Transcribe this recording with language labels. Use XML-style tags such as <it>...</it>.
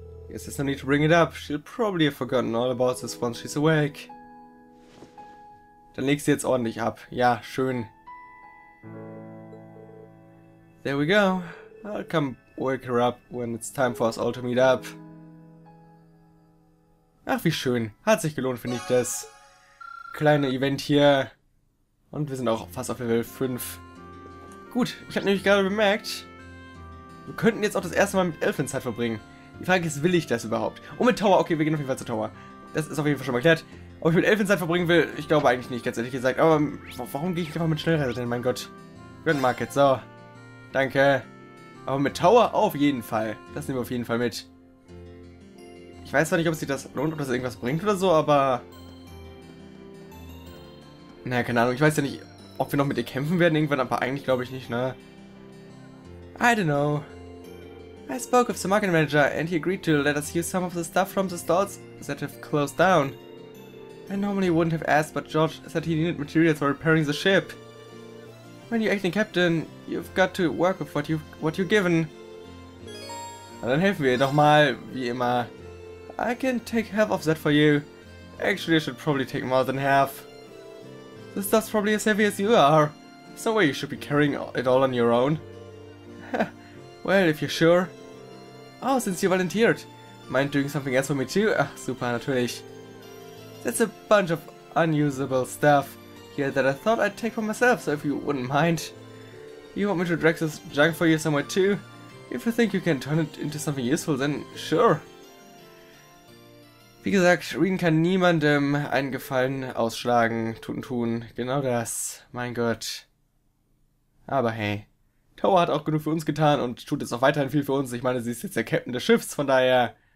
<en>Guess there's no need to bring it up. She'll probably have forgotten all about this once she's awake.</en> <de>Dann leg sie jetzt ordentlich ab. Ja, schön.</de> <en>There we go. I'll come wake her up when it's time for us all to meet up.</en> <de>Ach, wie schön. Hat sich gelohnt, finde ich, das kleine Event hier. Und wir sind auch fast auf Level 5. Gut, ich habe nämlich gerade bemerkt, wir könnten jetzt auch das erste Mal mit Elfenzeit verbringen. Die Frage ist, will ich das überhaupt? Und mit Tower, okay, wir gehen auf jeden Fall zu Tower. Das ist auf jeden Fall schon mal erklärt. Ob ich mit Elfenzeit verbringen will, ich glaube eigentlich nicht, ganz ehrlich gesagt. Aber warum gehe ich einfach mit Schnellreise denn, mein Gott? Grand Market, so. Danke. Aber mit Tower auf jeden Fall. Das nehmen wir auf jeden Fall mit. Ich weiß zwar nicht, ob sich das lohnt, ob das irgendwas bringt oder so, aber... Naja, keine Ahnung. Ich weiß ja nicht, ob wir noch mit ihr kämpfen werden irgendwann, aber eigentlich glaube ich nicht, ne?</de> <en>I don't know. I spoke with the market manager and he agreed to let us use some of the stuff from the stalls that have closed down. I normally wouldn't have asked, but George said he needed materials for repairing the ship. When you're acting captain, you've got to work with what you're given.</en> <de>Na, dann helfen wir doch mal, wie immer.</de> <en>I can take half of that for you. Actually, I should probably take more than half. This stuff's probably as heavy as you are. There's no way you should be carrying it all on your own. Well, if you're sure. Oh, since you volunteered. Mind doing something else for me too?</en> <de>Ach, super, natürlich.</de> <en>That's a bunch of unusable stuff here that I thought I'd take for myself, so if you wouldn't mind. You want me to drag this junk for you somewhere too? If you think you can turn it into something useful, then sure.</en> <de>Wie gesagt, Rin kann niemandem einen Gefallen ausschlagen, tun. Genau das, mein Gott. Aber hey, Tower hat auch genug für uns getan und tut jetzt auch weiterhin viel für uns. Ich meine, sie ist jetzt der Captain des Schiffs, von daher...</de>